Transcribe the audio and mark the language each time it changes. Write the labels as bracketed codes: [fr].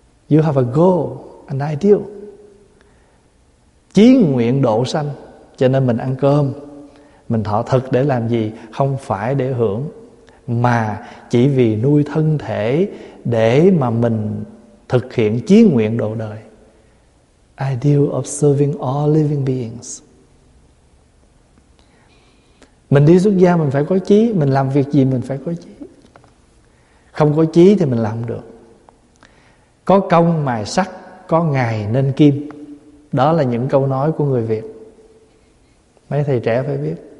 [en] You have a goal, an ideal. [vi] Chí nguyện độ sanh. Cho nên mình ăn cơm, mình thọ thực để làm gì? Không phải để hưởng, mà chỉ vì nuôi thân thể để mà mình thực hiện chí nguyện độ đời. [en] Ideal of serving all living beings. [vi] Mình đi xuất gia mình phải có chí, mình làm việc gì mình phải có chí. Không có chí thì mình làm được. Có công mài sắt, có ngày nên kim. Đó là những câu nói của người Việt. Mấy thầy trẻ phải biết.